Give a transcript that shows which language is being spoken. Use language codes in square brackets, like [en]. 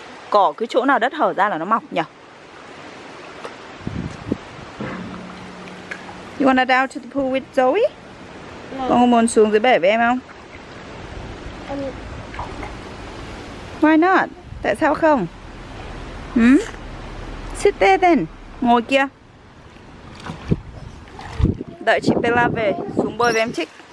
[vi] Cỏ cứ chỗ nào đất hở ra là nó mọc nhỉ? [en] You wanna down to the pool with Zoe? [vi] Con có muốn xuống dưới bể với em không? [en] Why not? [vi] Tại sao không? [en] Sit there then. [vi] Ngồi kia. Đợi chị Bella về, xuống bơi với em chích.